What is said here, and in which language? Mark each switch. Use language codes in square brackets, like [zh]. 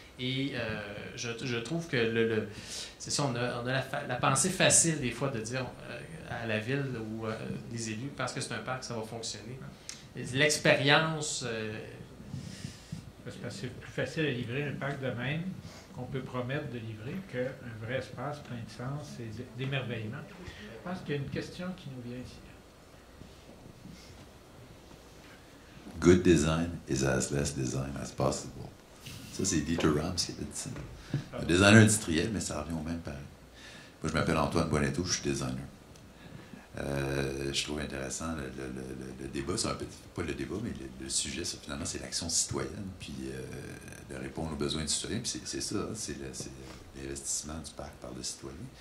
[fr] Et je trouve que on a la pensée facile des fois de dire à la ville ou les élus, parce que c'est un parc, ça va fonctionner. L'expérience. C'est plus facile à livrer un parc de même qu'on peut promettre de livrer qu'un vrai espace plein de sens et d'émerveillement. Je pense qu'il y a une question qui nous vient ici. [en] Good design is as less design as possible. [fr] Ça, c'est Dieter Rams qui a dit ça. Un designer industriel, mais ça revient au même pareil. Moi, je m'appelle Antoine Bonnetto, je suis designer. Je trouve intéressant le débat, c'est un petit, pas le débat, mais le sujet, ça, finalement, c'est l'action citoyenne, puis de répondre aux besoins du citoyen, puis c'est ça, hein, c'est l'investissement du parc par le citoyen.